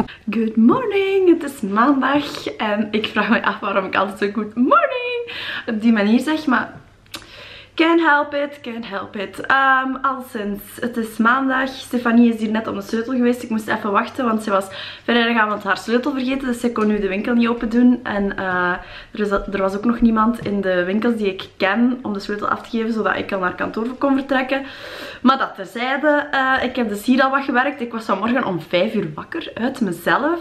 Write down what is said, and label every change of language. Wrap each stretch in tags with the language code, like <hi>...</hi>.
<en>Good morning,</en> <nl>het is maandag en ik vraag me af waarom ik altijd zo</nl> <en>good morning</en> <nl>op die manier zeg, maar</nl> <en>Can't help it, can't help it.</en> <nl>Alleszins, het is maandag. Stefanie is hier net om de sleutel geweest. Ik moest even wachten, want ze was vrijdagavond haar sleutel vergeten. Dus ze kon nu de winkel niet open doen. En er was ook nog niemand in de winkels die ik ken om de sleutel af te geven, zodat ik al naar kantoor kon vertrekken. Maar dat terzijde, ik heb dus hier al wat gewerkt. Ik was vanmorgen om 5 uur wakker uit mezelf.</nl>